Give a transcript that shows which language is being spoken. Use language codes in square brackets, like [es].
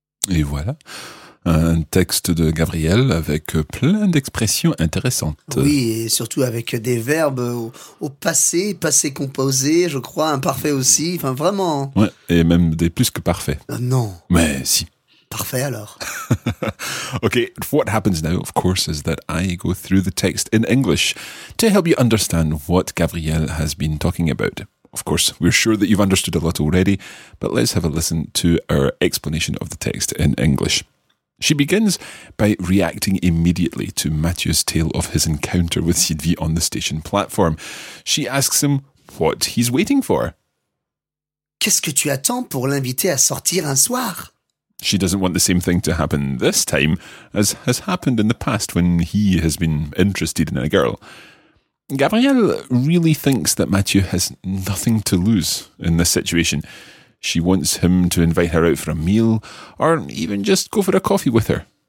[fr] Et voilà, un texte de Gabrielle avec plein d'expressions intéressantes. Oui, et surtout avec des verbes au passé, passé composé, je crois, imparfait aussi, enfin vraiment. Ouais, et même des plus que parfaits. Non. Mais si. Parfait alors. [en] Okay, what happens now, of course, is that I go through the text in English to help you understand what Gabrielle has been talking about. Of course, we're sure that you've understood a lot already, but let's have a listen to our explanation of the text in English. She begins by reacting immediately to Mathieu's tale of his encounter with Sylvie on the station platform. She asks him what he's waiting for. [fr] Qu'est-ce que tu attends pour l'inviter à sortir un soir? [en] She doesn't want the same thing to happen this time as has happened in the past when he has been interested in a girl. Gabrielle really thinks that Mathieu has nothing to lose in this situation. She wants him to invite her out for a meal or even just go for a coffee with her.